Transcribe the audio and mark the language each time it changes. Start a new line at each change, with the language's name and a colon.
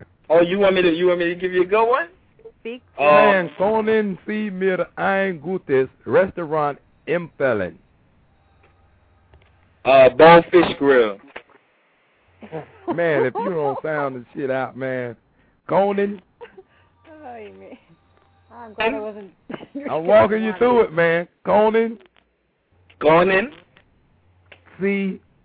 English: Oh, you want me to give you a good one? Speak to man,
German: konnen Sie mir ein gutes Restaurant empfehlen?
English: Bonefish Grill. Man, if you don't sound the shit out, man.
German: Konnen.
English: Oh, you mean. I'm glad I wasn't. I'm walking you through it, man. Konnen.
German: Konnen.
English: See.